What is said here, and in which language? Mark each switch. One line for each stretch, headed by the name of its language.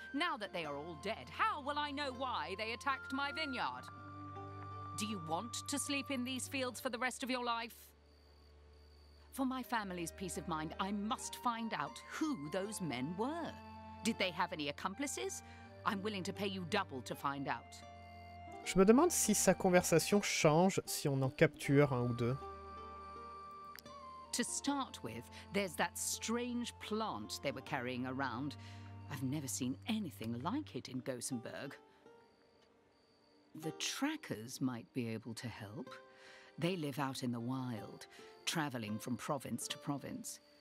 English: Now that they are all dead, how will I know why they attacked my vineyard? Do you want to sleep in these fields for the rest of your life? For my family's peace of mind, I must find out who those men were. Did they have any accomplices? I'm willing to pay you double to find out.
French: Je me demande si sa conversation change si on en capture un ou deux.
English: To start with, there's that strange plant they were carrying around. I've never seen anything like it in Gothenburg. The trackers might be able to help. They live out in the wild, traveling from province to province.